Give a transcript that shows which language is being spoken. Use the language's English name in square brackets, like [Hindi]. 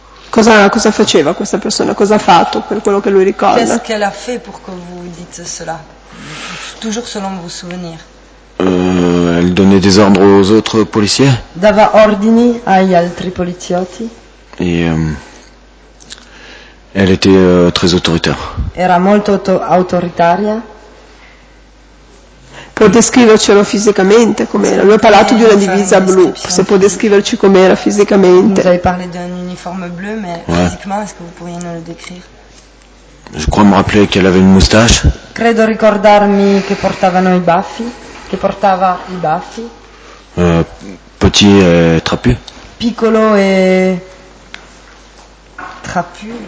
[Italian] Cosa faceva questa persona? Cosa ha fatto per quello che lui ricorda? [French] Qu'est-ce qu'elle a fait pour que vous dites cela? Toujours selon vos souvenirs. Elle donnait des ordres aux autres policiers. [Italian] Dava ordini agli altri poliziotti. [French] Et elle était très autoritaire. [Italian] Era molto autoritaria. Può descrivercelo fisicamente com'era? Lui ha parlato di una divisa blu. Se può descriverci com'era fisicamente. [French] Vous avez parlé d'un uniforme bleu, mais physiquement, est-ce que vous pourriez nous le décrire? Je crois me rappeler qu'elle avait une moustache. [Italian] Credo ricordarmi che portavano i baffi. Che portava i baffi. [French] Petit e trapu. [Italian] Piccolo e trapu.